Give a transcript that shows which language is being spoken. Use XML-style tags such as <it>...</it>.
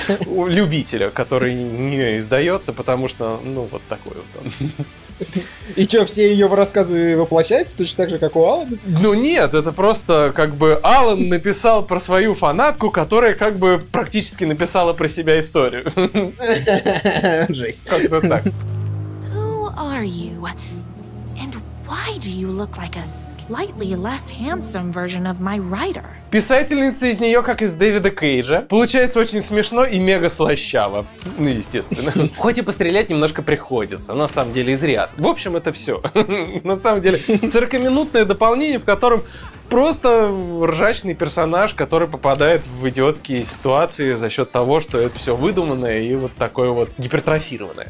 <ru>Любителя, который не издается, потому что, ну, вот такой вот он. И что, все ее рассказы воплощаются точно так же, как у Алана? Ну нет, это просто как бы Алан написал про свою фанатку, которая как бы практически написала про себя историю. Жесть. Как-то так.</ru> <en>Who are you? And why do you look like a slightly less handsome version of my writer?</en> <ru>Писательница из нее, как из Дэвида Кейджа. Получается очень смешно и мега слащаво. Ну, естественно. Хоть и пострелять немножко приходится. На самом деле, изряд. В общем, это все. На самом деле, 40-минутное дополнение, в котором просто ржачный персонаж, который попадает в идиотские ситуации за счет того, что это все выдуманное и вот такое вот гипертрофированное.</ru>